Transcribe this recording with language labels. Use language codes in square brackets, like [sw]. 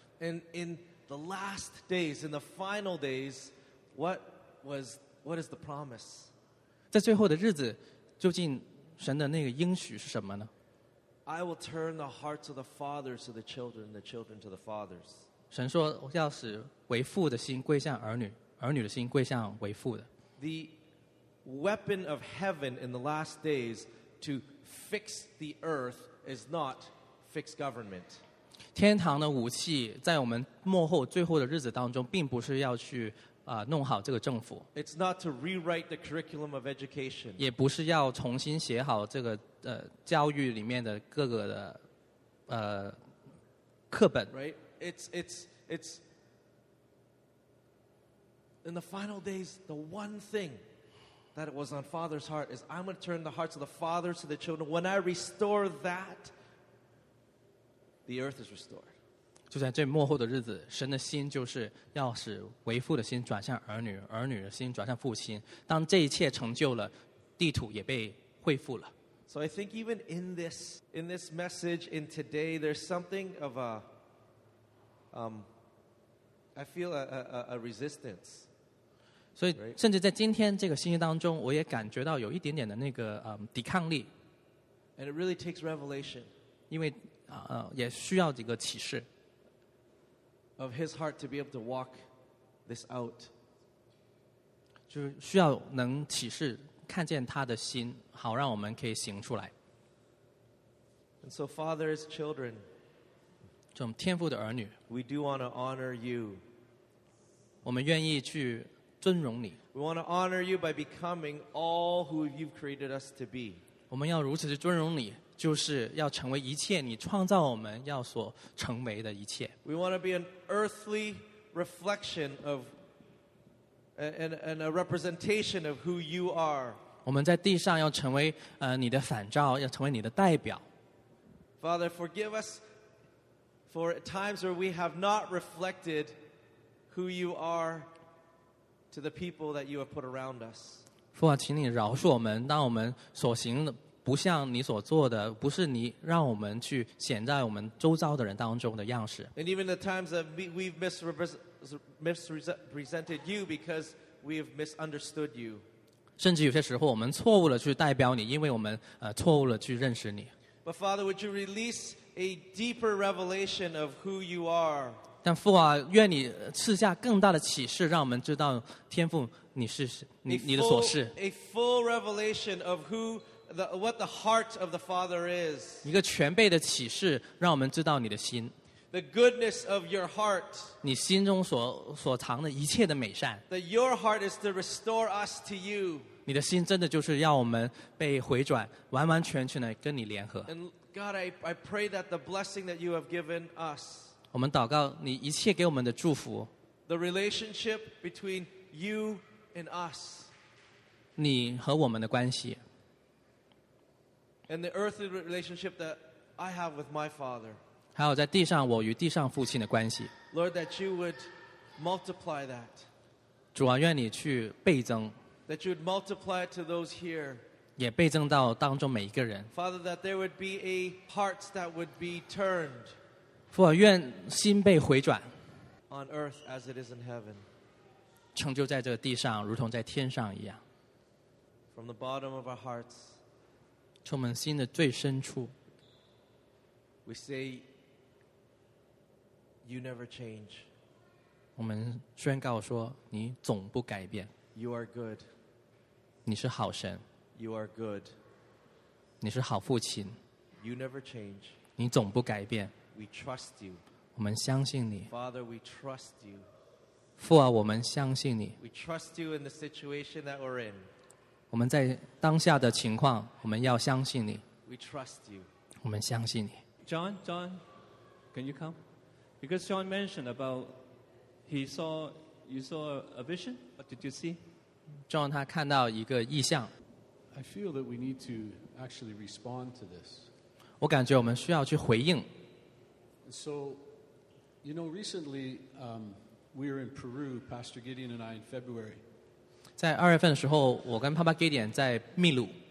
[en] And in the last days, in the final days, what is the promise? [zh] 在最后的日子，究竟神的那个应许是什么呢？ [en] I will turn the hearts of the fathers to the children, the children to the fathers. [zh] 神说要使为父的心归向儿女，儿女的心归向为父的。 [en] The weapon of heaven in the last days to fix the earth is not fix government. [zh] 天堂的武器在我们末后最后的日子当中，并不是要去弄好这个政府。 [en] It's not to rewrite the curriculum of education. [zh] 也不是要重新写好这个教育里面的各个的课本。 [en] Right? It's in the final days, the one thing that it was on Father's heart is I'm going to turn the hearts of the fathers to the children. When I restore that, the earth is restored. [zh] 就在最末后的日子，神的心就是要使为父的心转向儿女，儿女的心转向父亲。当这一切成就了，地土也被恢复了。 [en] So I think even in this message in today, there's something of a I feel a resistance. [zh] 所以，甚至在今天这个信息当中，我也感觉到有一点点的那个抵抗力。 [en] And it really takes revelation. [zh] 因为也需要几个启示。 [en] Of his heart to be able to walk this out. [zh] 就是需要能启示看见他的心，好让我们可以行出来。 [en] And so, Father, as children. [zh] 就我们天父的儿女。 [en] We do want to honor you. [zh] 我们愿意去尊荣你。 [en] We want to honor you by becoming all who you've created us to be. [zh] 我们要如此去尊荣你。就是要成为一切你创造我们要所成为的一切。 [en] We want to be an earthly reflection of and a representation of who you are. [zh] 我们在地上要成为你的反照，要成为你的代表。 [en] Father, forgive us for times where we have not reflected who you are to the people that you have put around us. [zh] 父啊，请你饶恕我们，当我们所行的。不像你所做的，不是你让我们去显在我们周遭的人当中的样式。 [en] And even the times that we've misrepresented you because we have misunderstood you. [zh] 甚至有些时候，我们错误了去代表你，因为我们错误了去认识你。 [en] But Father, would you release a deeper revelation of who you are? [zh] 但父啊，愿你赐下更大的启示，让我们知道天父你是你的所是。 [en] A full revelation of who what the heart of the Father is. [zh] 一个全备的启示，让我们知道你的心。 [en] The goodness of your heart. [zh] 你心中所藏的一切的美善。 [en] That your heart is to restore us to you. [zh] 你的心真的就是要我们被回转，完完全全的跟你联合。 [en] And God, I pray that the blessing that you have given us. [zh] 我们祷告你一切给我们的祝福。 [en] The relationship between you and us. [zh] 你和我们的关系。 [en] And the earthly relationship that I have with my father. [zh] 还有在地上我与地上父亲的关系。 [en] Lord, that you would multiply that. [zh] 主啊，愿你去倍增。 [en] That you would multiply it to those here. [zh] 也倍增到当中每一个人。 [en] Father, that there would be a heart that would be turned. [zh] 父啊，愿心被回转。 [en] On earth as it is in heaven. [zh] 成就在这个地上，如同在天上一样。 [en] From the bottom of our hearts. [zh] 从我们心的最深处 [en] We say you never change. [zh] 我们宣告说你总不改变。 [en] You are good. [zh] 你是好神。 [en] You are good. [zh] 你是好父亲。 [en] You never change. [zh] 你总不改变。 [en] We trust you. [zh] 我们相信你。 [en] Father, we trust you. [zh] 父啊，我们相信你。 [en] We trust you in the situation that we're in. [zh] 我们在当下的情况，我们要相信你。 [en] We trust you. [zh] 我们相信你。 [en] John, can you come? Because John mentioned about you saw a vision. What did you see? [zh] John 他看到一个异象。 [en] I feel that we need to actually respond to this. [zh] 我感觉我们需要去回应。 [en] So, you know, recently, we were in Peru, Pastor Gideon and I, in February. [zh] 在二月份的时候，我跟帕帕吉典在秘鲁。